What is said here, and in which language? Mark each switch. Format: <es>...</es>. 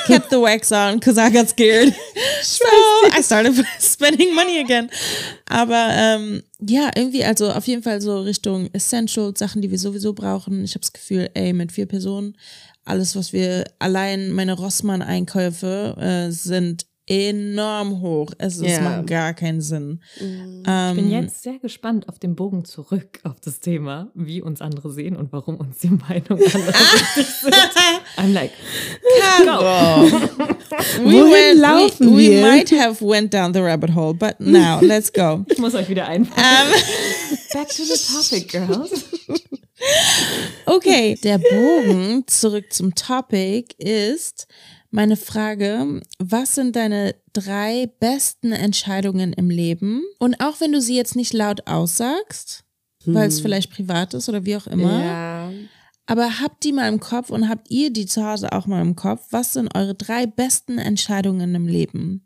<en>Kept the wax on, because I got scared. So I started spending money again.</en> <de>Aber irgendwie, also auf jeden Fall so Richtung Essential, Sachen, die wir sowieso brauchen. Ich habe das Gefühl, ey, mit vier Personen, alles, was wir allein, meine Rossmann-Einkäufe sind enorm hoch. Also es macht gar keinen Sinn. Ich bin jetzt sehr gespannt auf den Bogen zurück auf das Thema, wie uns andere sehen und warum uns die Meinung anders sind.</de> <en>I'm like, Caro.</en> <de>Wohin laufen wir?</de> <en>We might have went down the rabbit hole, but now, let's go.</en> <de>Ich muss euch wieder einfangen.</de> <en>Back to the topic, girls.</en> <de>Okay, der Bogen zurück zum Topic ist meine Frage, was sind deine drei besten Entscheidungen im Leben? Und auch wenn du sie jetzt nicht laut aussagst, weil es vielleicht privat ist oder wie auch immer, aber habt die mal im Kopf und habt ihr die zu Hause auch mal im Kopf, was sind eure drei besten Entscheidungen im Leben?</de>